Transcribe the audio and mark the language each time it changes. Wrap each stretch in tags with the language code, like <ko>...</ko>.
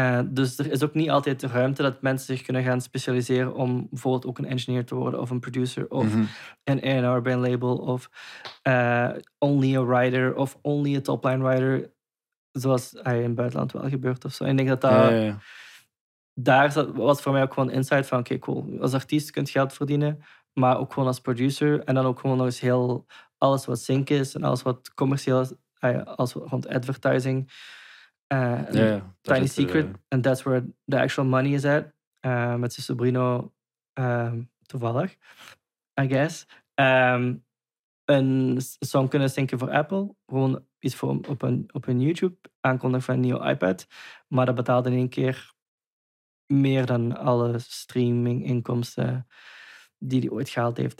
<nl>Dus er is ook niet altijd de ruimte dat mensen zich kunnen gaan specialiseren om bijvoorbeeld ook een engineer te worden of een producer of een A&R bij een label of</nl> <en>only a writer of only a topline writer,</en> <nl>zoals hij in het buitenland wel gebeurt of zo. En ik denk dat dat... Ja. Daar was voor mij ook gewoon insight van, oké, cool. Als artiest kun je geld verdienen, maar ook gewoon als producer. En dan ook gewoon nog eens heel alles wat sync is en alles wat commercieel is, als rond advertising.</nl> <en>Tiny Secret, and that's where the actual money is at.</en> <nl>Met zijn Sobrino, toevallig,</nl> <en>I guess.</en> <nl>Een song kunnen syncen voor Apple. Gewoon iets voor op een YouTube aankondiging van een nieuw iPad. Maar dat betaalde in één keer meer dan alle streaminginkomsten die hij ooit gehaald heeft.</nl>